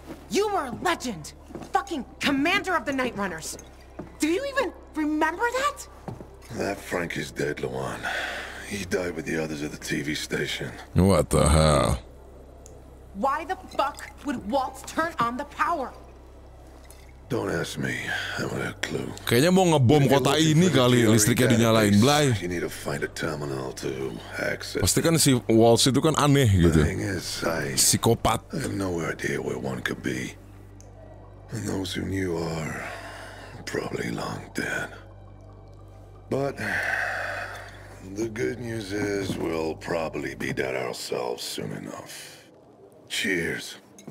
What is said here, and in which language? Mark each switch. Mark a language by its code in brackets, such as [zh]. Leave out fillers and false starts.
[en] You were a legend. Fucking commander of the Night Runners. Do you even remember that? That Frank is dead, Luan. He died with the others at the TV station. What the hell? Why the fuck would Waltz turn on the power? Don't ask me. I don't have a clue. [id] Kayaknya mau ngebom kota ini kali listriknya dinyalain, Blay. [en] You need to find a terminal to access. [id] Pasti kan si Waltz itu kan aneh gitu. Psikopat. [en] I have no idea where one could be. And those who knew are probably long dead. But the good news is we'll probably be dead ourselves soon enough. Cheers.